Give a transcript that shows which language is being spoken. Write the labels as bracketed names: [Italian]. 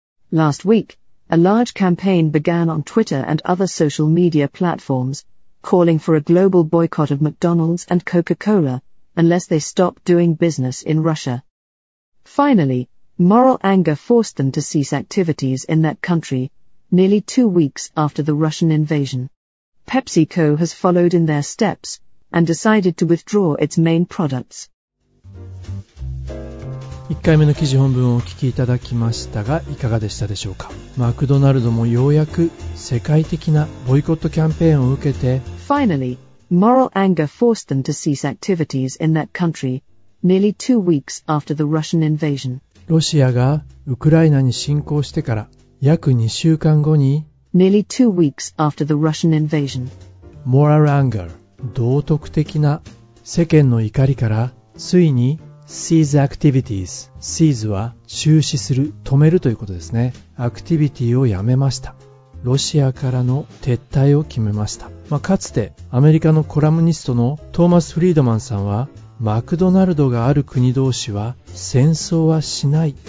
[English] Last week, a large campaign began on Twitter and other social media platforms, calling for a global boycott of McDonald's and Coca-Cola unless they stop doing business in Russia. Finally, moral anger forced them to cease activities in that country, nearly 2 weeks after the Russian invasion. PepsiCo has followed in their steps and decided to withdraw its main products. [Japanese] 1回目の記事本文をお聞きいただきましたが、いかがでしたでしょうか。マクドナルドもようやく世界的なボイコットキャンペーンを受けて、 [English] Finally, moral anger forced them to cease activities in that country nearly 2 weeks after the Russian invasion. [Japanese] ロシアがウクライナに侵攻してから約2週間後に、 [English] Nearly 2 weeks after the Russian invasion. Moral anger, [Japanese] 道徳的な世間の怒りからついに [English] cease activities. [Japanese] Cease は中止する、止めるということですね。アクティビティをやめました。ロシアからの撤退を決めました。まあ、かつてアメリカのコラムニストのトーマス・フリードマンさんは、マクドナルドがある国同士は戦争はしない。